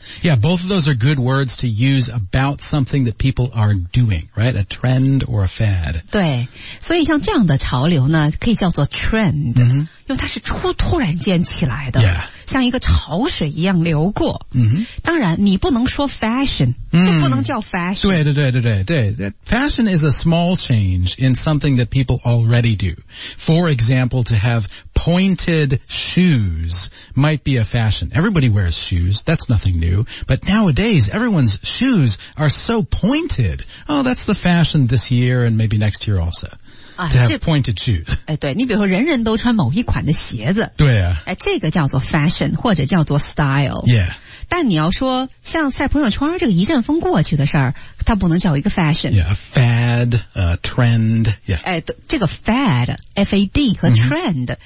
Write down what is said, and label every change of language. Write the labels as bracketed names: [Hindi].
[English] yeah, both of those are good words to use about something that people are doing, right? A trend or a fad. [Chinese] 对，所以像这样的潮流呢可以叫做 trend、 mm-hmm. 因为它是突然间起来的、 yeah. 像一个潮水一样流过、 mm-hmm. 当然你不能说 fashion、mm-hmm. 就不能叫 fashion 对对对对 对, 对 [English] fashion is a small change in something that people already do for example to have pointed shoes might be a fashion everybody wears shoes that's nothing new but nowadays everyone's shoes are so pointed oh that's the fashion this year and maybe next year also、to have pointed shoes [Chinese] 哎，对你比如说人人都穿某一款的鞋子对啊、哎、这个叫做 fashion Fashion, 或者叫做 style、 yeah. 但你要说像晒朋友圈这个一阵风过去的事儿，它不能叫一个 fashion [English] yeah, a fad, a trend、yeah. [Chinese] 哎、这个 fad F-A-D 和 trend、mm-hmm.